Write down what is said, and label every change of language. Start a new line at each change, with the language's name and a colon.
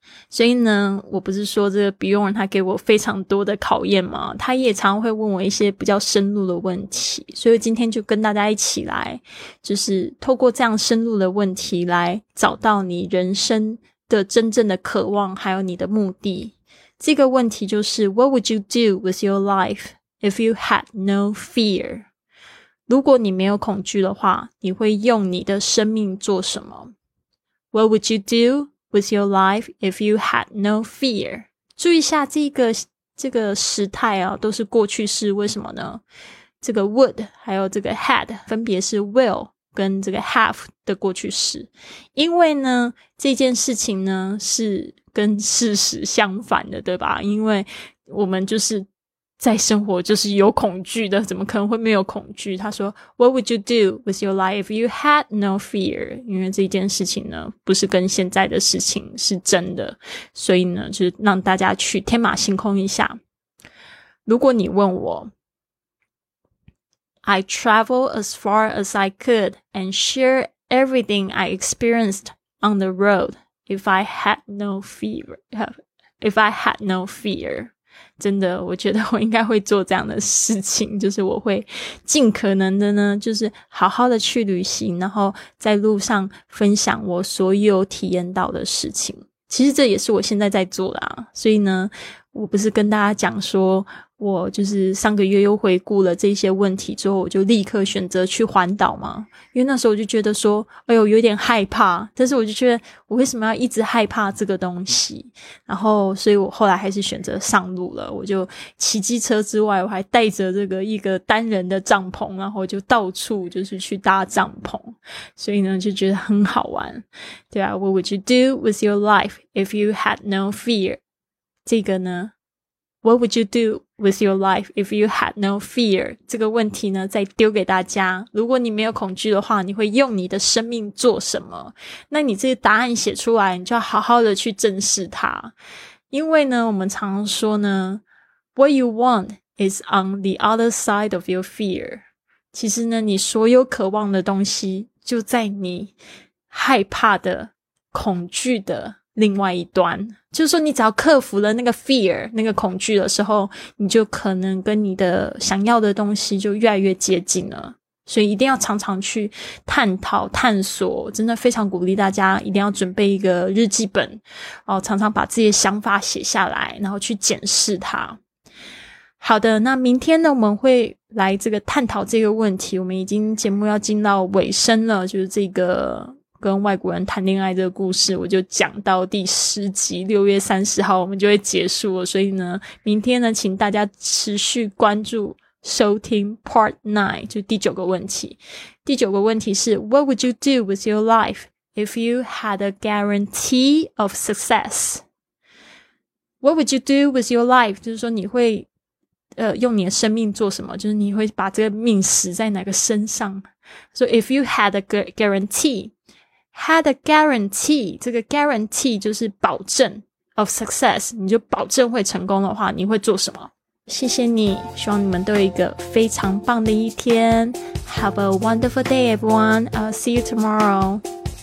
Chinese: 所以呢，我不是说这个 Bjorn 他给我非常多的考验吗？他也常会问我一些比较深入的问题，所以今天就跟大家一起来，就是透过这样深入的问题来找到你人生的真正的渴望，还有你的目的。这个问题就是
English: What would you do with your life if you had no fear?
Chinese: 如果你没有恐惧的话，你会用你的生命做什么？
English: What would you do? With your life if you had no fear.
Chinese: 注意一下这个时态啊，都是过去式，为什么呢？这个 would 还有这个 had 分别是 will 跟这个 have 的过去式。因为呢，这件事情呢是跟事实相反的，对吧？因为我们就是在生活就是有恐惧的，怎么可能会没有恐惧？他说
English: What would you do with your life if you had no fear?
Chinese: 因为这件事情呢不是跟现在的事情是真的，所以呢就是让大家去天马行空一下。如果你问我
English: I travel as far as I could and share everything I experienced on the road if I had no fear.
Chinese: 真的，我觉得我应该会做这样的事情，就是我会尽可能的呢，就是好好的去旅行，然后在路上分享我所有体验到的事情。其实这也是我现在在做的啊，所以呢，我不是跟大家讲说我就是上个月又回顾了这些问题之后，我就立刻选择去环岛嘛。因为那时候我就觉得说，哎呦，有点害怕。但是我就觉得，我为什么要一直害怕这个东西？然后，所以我后来还是选择上路了。我就骑机车之外，我还带着这个一个单人的帐篷，然后就到处就是去搭帐篷。所以呢，就觉得很好玩。对啊
English: ，What would you do with your life if you had no fear？
Chinese: 这个呢？
English: What would you do with your life if you had no fear?
Chinese: 这个问题呢，再丢给大家。如果你没有恐惧的话，你会用你的生命做什么？那你这个答案写出来，你就要好好的去正视它。因为呢，我们常常说呢，
English: What you want is on the other side of your fear.
Chinese: 其实呢，你所有渴望的东西，就在你害怕的、恐惧的另外一端，就是说你只要克服了那个 fear 那个恐惧的时候，你就可能跟你的想要的东西就越来越接近了。所以一定要常常去探讨探索，真的非常鼓励大家一定要准备一个日记本，常常把自己的想法写下来，然后去检视它。好的，那明天呢，我们会来这个探讨这个问题。我们已经节目要进到尾声了，就是这个跟外国人谈恋爱这个故事，我就讲到第十集，6月30号我们就会结束了。所以呢，明天呢，请大家持续关注收听
English: Part 9，
Chinese: 就第九个问题。第九个问题是
English: What would you do with your life if you had a guarantee of success? What would you do with your life?
Chinese: 就是说你会用你的生命做什么，就是你会把这个命死在哪个身上。
English: So if you had a guarantee
Chinese: a guarantee, 这个 guarantee 就是保证
English: of success,
Chinese: 你就保证会成功的话，你会做什么？谢谢你，希望你们都有一个非常棒的一天。
English: Have a wonderful day, everyone. I'll see you tomorrow.